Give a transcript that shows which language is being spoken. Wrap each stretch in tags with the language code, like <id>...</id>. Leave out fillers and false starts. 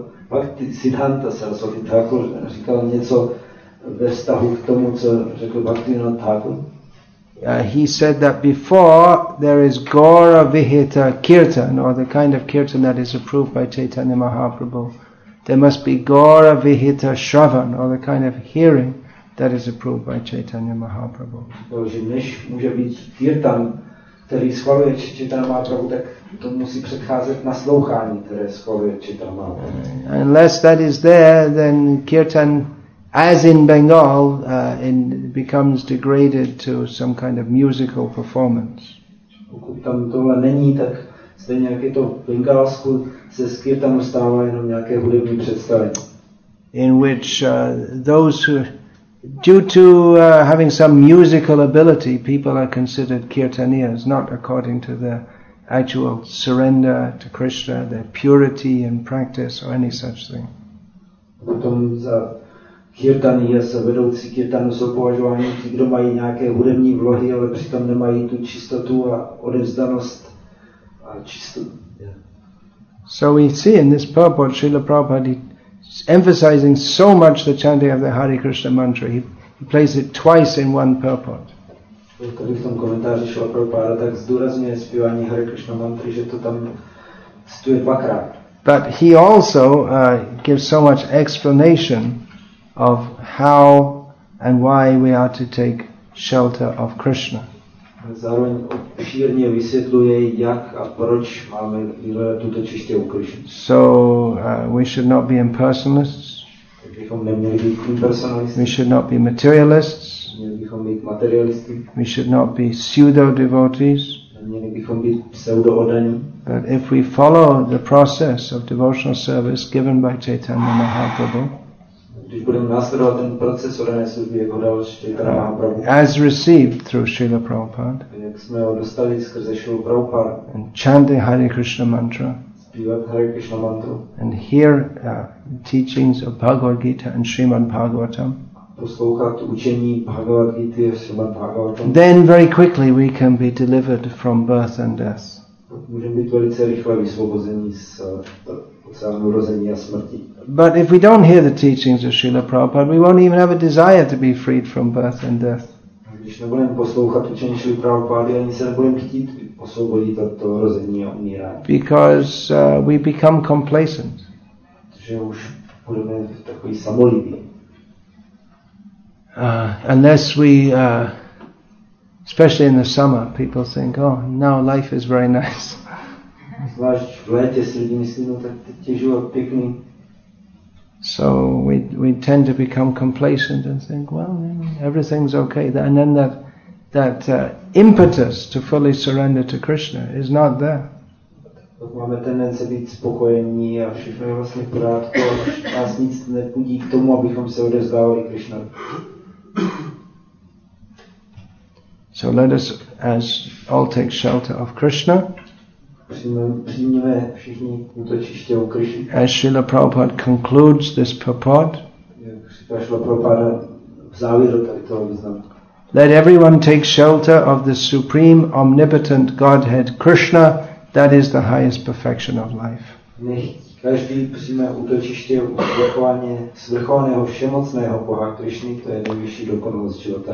<cs>Bhaktisiddhanta Saraswati Thakur říkal něco ve vztahu k tomu, co řekl Bhaktivinoda Thakur.</cs> <en>He said that before there is Gaura Vihita Kirtan, or the kind of kirtan that is approved by Chaitanya Mahaprabhu, there must be Gaura Vihita Shravan, or the kind of hearing that is approved by Chaitanya Mahaprabhu.</en> <cs>Takže než může být kirtan, který schvaluje Chaitanya Mahaprabhu, tak to musí předcházet naslouchání, které schvaluje Chaitanya Mahaprabhu.</cs> <en>Unless that is there, then kirtan, as in Bengal, becomes degraded to some kind of musical performance.</en> <cs>Pokud tam tohle není, tak stejně jak je to v Bengalsku, se z kirtanu stává jenom nějaké hudební představení.</cs> <en>In which those who due to having some musical ability, people are considered kirtaniyas, not according to their actual surrender to Krishna, their purity in practice, or any such thing.</en> <cs>Potom za kirtaniyas, vedoucí kirtanu, jsou považováni ti, kdo mají nějaké hudební vlohy, ale přitom nemají tu čistotu a odevzdanost a čistotu.</cs> <en>So we see in this purport, Srila Prabhupada emphasizing so much the chanting of the Hare Krishna mantra. He plays it twice in one purport.</en> <cs>Tady v tom komentáři Srila Prabhupada tak zdůrazňuje zpívání Hare Krishna mantry, že to tam cituje dvakrát.</cs> <en>But he also gives so much explanation of how and why we are to take shelter of Krishna.</en> <cs>Zároveň obšírně vysvětluje, jak a proč máme vyhledat tuto čistě u Krishna.</cs> <en>So we should not be impersonalists.</en> <cs>Tak bychom neměli být impersonalisty.</cs> <en>We should not be materialists.</en> <cs>Neměli bychom být materialisty.</cs> <en>We should not be pseudo-devotees.</en> <cs>Neměli bychom být pseudo-odaní.</cs> <en>But if we follow the process of devotional service given by Chaitanya Mahaprabhu,</en> <cs>když budeme následovat ten proces odané služby, jak ho dal Chaitanya Mahaprabhu,</cs> <en>as received through Srila Prabhupada,</en> <cs>jak jsme ho dostali skrze Srila Prabhupada,</cs> <en>and chanting Hare Krishna mantra,</en> <cs>zpívat Hare Krishna mantru,</cs> <en>and hear teachings of Bhagavad Gita and Srimad Bhagavatam,</en> <cs>poslouchat učení Bhagavad Gita a Srimad Bhagavatam,</cs> <en>then very quickly we can be delivered from birth and death.</en> <cs>Můžeme být velice rychle vysvobození z narození a smrti.</cs> <en>But if we don't hear the teachings of Srila Prabhupada, we won't even have a desire to be freed from birth and death.</en> <cs>Když nebudeme poslouchat učení Srila Prabhupada, ani se nebudeme chtít osvobodit od toho rození a umírání.</cs> <en>Because we become complacent.</en> <cs>Že už budeme takový samolibý.</cs> <en>Unless we, especially in the summer, people think, oh, now life is very nice.</en> <cs>Zvlášť v létě si lidi myslí, no tak teď je život pěkný.</cs> <en>So we tend to become complacent and think, well, everything's okay. And then that that impetus to fully surrender to Krishna is not there.</en> <cs>Máme tendenci být spokojení a všechno je vlastně v pořádku, nás nic nepudí k tomu, abychom se odevzdávali Krishna.</cs> <en>So let us as all take shelter of Krishna.</en> <cs>Přijmeme všichni útočiště u Krishna.</cs> <en>As Srila Prabhupada concludes this purport.</en> <cs>Srila Prabhupada v závěru tady toho významu.</cs> <en>Let everyone take shelter of the supreme omnipotent Godhead Krishna. That is the highest perfection of life.</en> <cs>Každý přijme útočiště u svrchovaného všemocného Boha Krišny, to je nejvyšší dokonalost života.</cs>